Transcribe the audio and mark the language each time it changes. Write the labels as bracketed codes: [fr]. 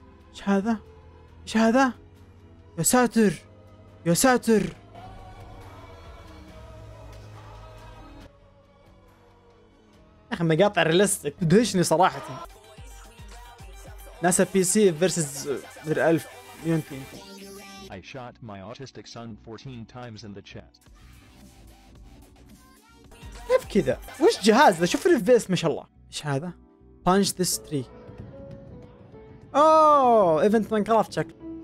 [ar] ايش هذا؟ ايش هذا؟ يا ساتر يا ساتر. يا اخي مقاطع ريلستك تدهشني صراحة. ناسا بي سي فيرسز مدري 1000 مليون تي ان تي. [en] I shot my autistic son 14 times in the chest. [ar] كيف كذا؟ وش جهاز ذا؟ شوف الفيس ما شاء الله. ايش هذا؟ [en] Punch this tree. [ar] اوه ايفنت ماين كرافت شكل.